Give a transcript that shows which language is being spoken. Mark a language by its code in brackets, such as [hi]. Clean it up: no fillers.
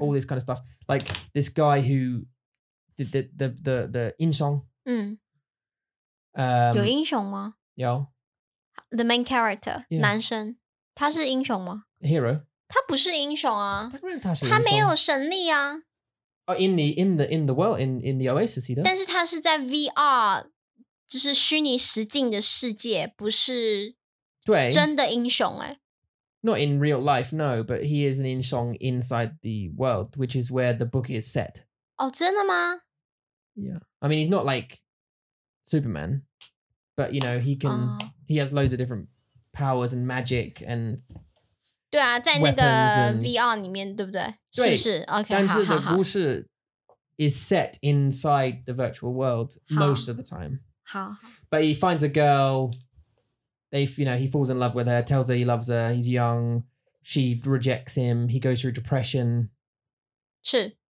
[en] all this kind of stuff. Like this guy who did the Insong. [zh] Mm-hmm. 有英雄吗? [en] Yeah. The main character, yeah. [zh] 男生, 他是英雄吗? [en] A hero. [zh] 他不是英雄啊, 他没有神力啊。 [en] Oh, in the world, in the Oasis, he does. [zh] 但是他是在VR, 就是虚拟实境的世界, 不是真的英雄欸。 [en] Not in real life, no, but he is an Insong inside the world, which is where the book is set. [zh] Oh, 真的吗? [en] Yeah. I mean, he's not like Superman, but, you know, he can, he has loads of different powers and magic and... [zh] 对啊,在那个VR里面,对不对?是不是? [en] Okay, [zh] 但是的故事 [en] is set inside the virtual world most of the time. [zh] 好。 [en] But he finds a girl, he falls in love with her, tells her he loves her, he's young, she rejects him, he goes through depression. [zh] 是。